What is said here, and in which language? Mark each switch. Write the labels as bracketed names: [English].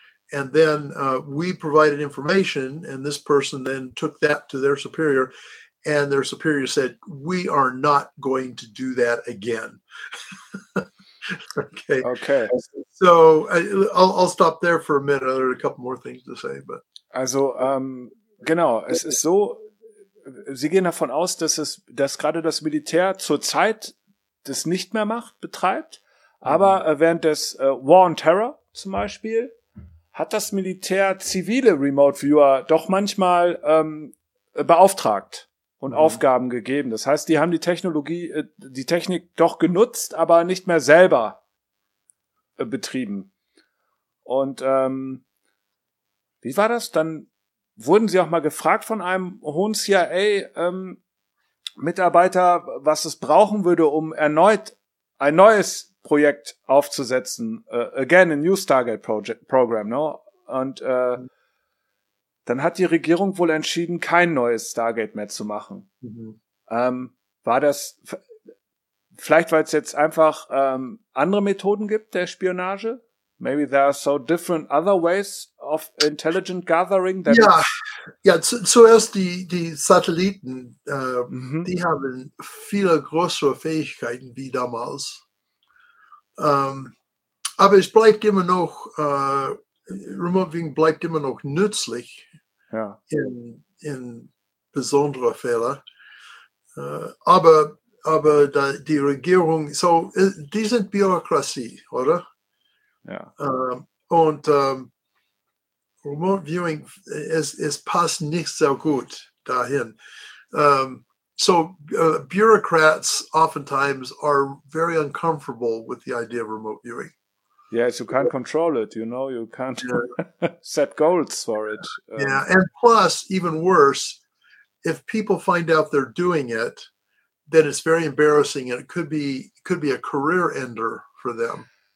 [English] And then we provided information, and this person then took that to their superior, and their superior said, "We are not going to do that again." Okay. Okay. So I'll stop there for a minute. There are a couple more things to say, but [German] also genau, es ist so. Sie gehen davon aus, dass es, dass gerade das Militär zurzeit das nicht mehr macht, betreibt, aber während des War on Terror zum Beispiel hat das Militär zivile Remote Viewer doch manchmal beauftragt und Aufgaben gegeben. Das heißt, die haben die Technologie, die Technik doch genutzt, aber nicht mehr selber betrieben. Und wie war das? Dann wurden sie auch mal gefragt von einem hohen CIA-Mitarbeiter, was es brauchen würde, um erneut ein neues Projekt aufzusetzen. [English] Again, a new Stargate Project, Program. [German] No? Und dann hat die Regierung wohl entschieden, kein neues Stargate mehr zu machen. Mhm. War das vielleicht, weil es jetzt einfach andere Methoden gibt der Spionage? [English] Maybe there are so different other ways of intelligent gathering. [German] Than ja, ja, zuerst die Satelliten, die haben viele größere Fähigkeiten wie damals. Aber es bleibt immer noch, Remote Viewing bleibt immer noch nützlich. Ja. In besonderen Fällen. Aber da, die Regierung, so, die sind Bürokratie, oder? Ja. Remote Viewing, es passt nicht sehr gut dahin. [English] Bureaucrats oftentimes are very uncomfortable with the idea of remote viewing. Yes, you can't control it, you know, you can't set goals for it. Yeah, and plus, even worse, if people find out they're doing it, then it's very embarrassing, and it could be a career ender for them.